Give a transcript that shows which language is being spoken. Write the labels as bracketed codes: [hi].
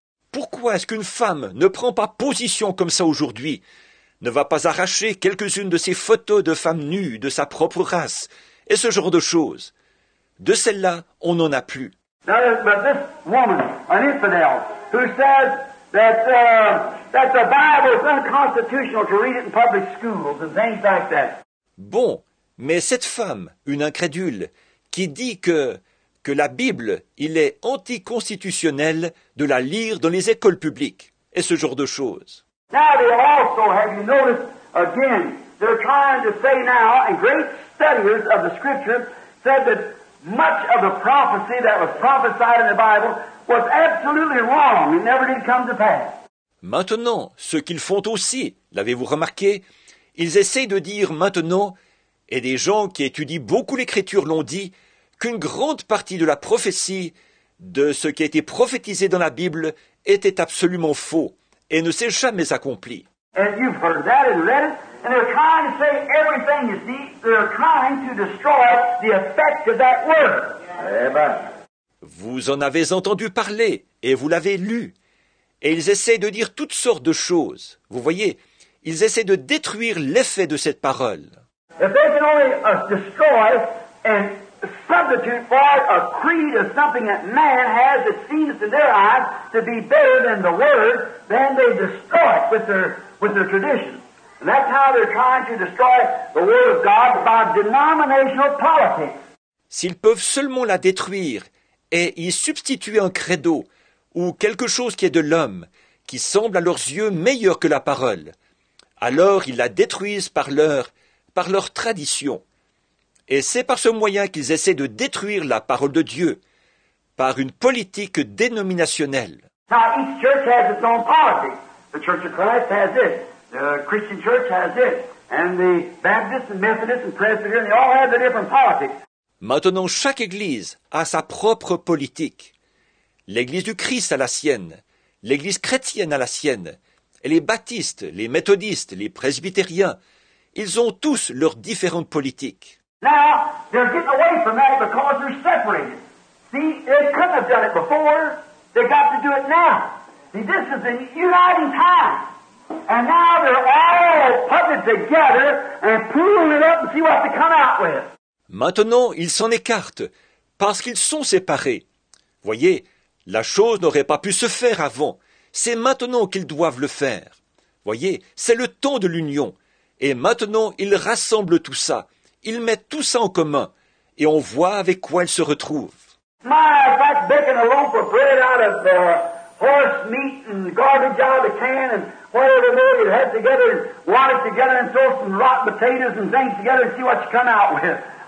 [fr] Pourquoi est-ce qu'une femme ne prend pas position comme ça aujourd'hui? Ne va pas arracher quelques-unes de ses photos de femmes nues de sa propre race et ce genre de choses? De celles-là, on n'en a plus. [en] But this woman, an infidel, who says that the Bible is unconstitutional to read it in public schools and things like that. [fr] Bon, mais cette femme, une incrédule, qui dit que la Bible, il est anticonstitutionnel de la lire dans les écoles publiques, et ce genre de choses. [en] Now they also, have you noticed again, they're trying to say now, and great studiers of the scripture said that much of the prophecy that was prophesied in the Bible was absolutely wrong. It never did come to pass. [fr] Maintenant, ce qu'ils font aussi, l'avez-vous remarqué, ils essayent de dire maintenant, et des gens qui étudient beaucoup l'Écriture l'ont dit, qu'une grande partie de la prophétie, de ce qui a été prophétisé dans la Bible, était absolument faux et ne s'est jamais accompli. [en] And you've heard that and read it. And they're trying to say everything, you see. They're trying to destroy the effect of that word. Amen. [fr] Vous en avez entendu parler, et vous l'avez lu. Et ils essaient de dire toutes sortes de choses. Vous voyez, ils essaient de détruire l'effet de cette parole. [en] If they can only destroy and substitute for a creed of something that man has that seems in their eyes to be better than the word, then they destroy it with their traditions. And that's how they're trying to destroy the word of God by denominational politics. [fr] S'ils peuvent seulement la détruire et y substituer un credo ou quelque chose qui est de l'homme, qui semble à leurs yeux meilleur que la parole, alors ils la détruisent par leur tradition. Et c'est par ce moyen qu'ils essaient de détruire la parole de Dieu, par une politique dénominationnelle. [en] Now, each church has its own policy. The Church of Christ has this. The Christian Church has this. And the Baptists and Methodists and Presbyterians, they all have their different politics. [fr] Maintenant, chaque église a sa propre politique. L'église du Christ a la sienne. L'église chrétienne a la sienne. Et les baptistes, les méthodistes, les presbytériens, ils ont tous leurs différentes politiques. [en] Now, they're getting away from that because they're separated. See, they couldn't have done it before. They got to do it now. See, this is a uniting time. And now they're all putting it together and pulling it up and see what they come out with. [fr] Maintenant, ils s'en écartent, parce qu'ils sont séparés. Voyez, la chose n'aurait pas pu se faire avant. C'est maintenant qu'ils doivent le faire. Voyez, c'est le temps de l'union. Et maintenant, ils rassemblent tout ça. Ils mettent tout ça en commun. Et on voit avec quoi ils se retrouvent. [en] My, that's baking a loaf of bread out of the horse meat and garbage out of the can and whatever they had together and water together and throw some rotten potatoes and things together and see what you come out with.